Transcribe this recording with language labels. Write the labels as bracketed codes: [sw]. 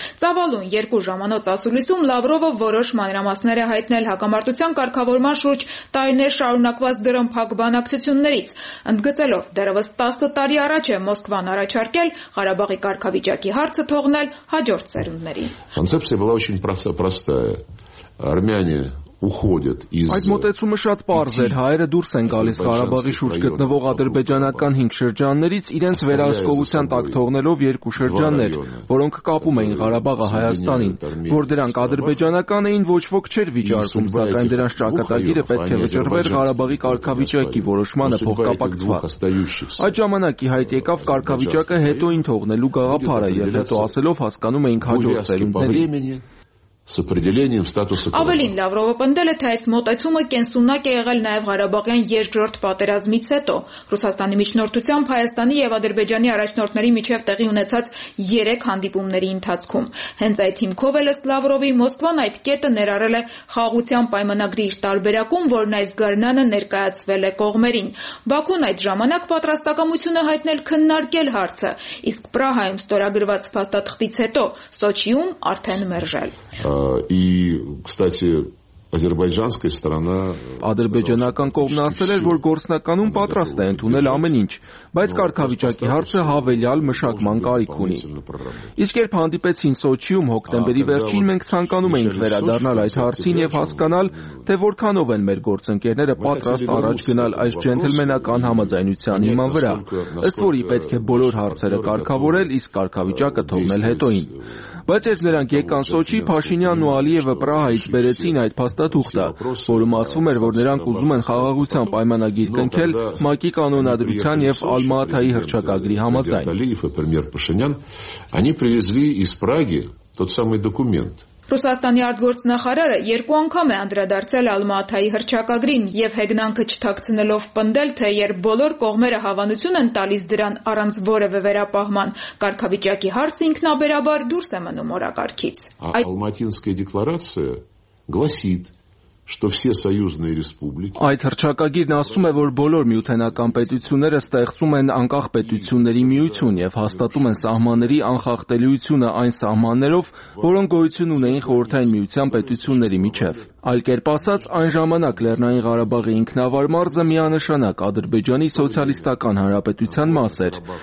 [hy] Ծավալուն երկու ժամանոց ասուլիսում Լավրովը որոշ մանրամասներ է հայտնել հակամարտության կարգավորման շուրջ տարիներ շարունակված դրամփակ բանակցություններից, ընդգծելով, դեռևս 10 տարի առաջ է Մոսկվան առաջարկել Ղարաբաղի կարգավիճակի հարցը թողնել հաջորդ սերունդներին։ [ru] Концепция была очень простая. Армяне уходят из [hy] Այդ մտածումը շատ պարզ էր, հայերը դուրս են գալիս Ղարաբաղի շուրջ գտնվող ադրբեջանական 5 շրջաններից, իրենց վերահսկողության տակ թողնելով երկու շրջաններ, որոնք կապում էին Ղարաբաղը Հայաստանին, որ դրանք ադրբեջանական էին, ոչ ոք չէր վիճարկում, սակայն դրանց ճակատագիրը պետք է վճռվեր Ղարաբաղի կարգավիճակի որոշմանը փոխկապակցված։ Այդ ժամանակի հայտ եկավ կարգավիճակը հետոին թողնելու գաղափարը, եւ հետո ասելով հասկանում էին հաջող ծերունդների [ru] С определением статуса [hy] Ավելին Լավրովը պնդել է, թե այս մտածումը կենսունակ է եղել նաև Ղարաբաղյան երկրորդ պատերազմից հետո։ Ռուսաստանի միջնորդությամբ Հայաստանի եւ Ադրբեջանի առաջնորդների միջև տեղի ունեցած 3 հանդիպումների ընթացքում։ Հենց այդ հիմքով էլ Լավրովի Մոսկվան այդ կետը ներառել է խաղաղության պայմանագրի իր տարբերակում, որն այս գարնանը ներկայացվել է կողմերին։ Բաքուն այդ ժամանակ պատրաստակամությունը հայտնել քննարկել հարցը, իսկ Պրահայում ստորագրված փաստաթղթից հետո Սոչիում արդեն մերժել։ [ru] И, кстати, азербайджанская сторона [hy] Ադրբեջանական կողմն ասել էր, որ գործնականում պատրաստ է ընդունել ամեն ինչ, բայց կարգավիճակի հարցը հավելյալ մշակման կարիք ունի։ Իսկ երբ հանդիպեցին Սոչիում հոկտեմբերի վերջին, մենք ցանկանում էինք վերադառնալ այդ հարցին եւ հասկանալ, թե որքանով են մեր գործընկերները պատրաստ առաջ գնալ այս ջենտլմենական համաձայնության հիման վրա, ըստ որի պետք է բոլոր հարցերը կարգավորել, իսկ կարգավիճակը թողնել հետոին։ Բայց երբ նրանք եկան Սոչի, Փաշինյանն ու Ալիևը Պրահայից բերեցին այդ փաստաթուղթը, որում ասվում էր, որ նրանք ուզում են խաղաղության պայմանագիր կնքել ՄԱԿ-ի կանոնադրության եւ Ալմաաթայի հռչակագրի համաձայն։ Ռուսաստանի արտգործնախարարը 2 անգամ է անդրադարձել Ալմաաթայի հռչակագրին եւ հեգնանքը չթաքցնելով պնդել, թե երբ բոլոր կողմերը հավանություն են տալիս դրան առանց որևէ վերապահման, կարգավիճակի հարցը ինքնաբերաբար դուրս է մնում օրակարգից։ [ru] Ալմաատինսկայ դեկլարացիա гласит, что все союзные республики [hy] Այդ հռչակագիրն ասում է, որ բոլոր միութենական պետությունները ստեղծում են անկախ պետությունների միություն եւ հաստատում են սահմանների անխախտելիությունը այն սահմաններով, որոնք գոյություն ունեին խորհրդային միության պետությունների միջև։ Այլ կերպ ասած, այն ժամանակ Լեռնային Ղարաբաղի ինքնավար մարզը միանշանակ Ադրբեջանի սոցիալիստական հանրապետության մաս էր,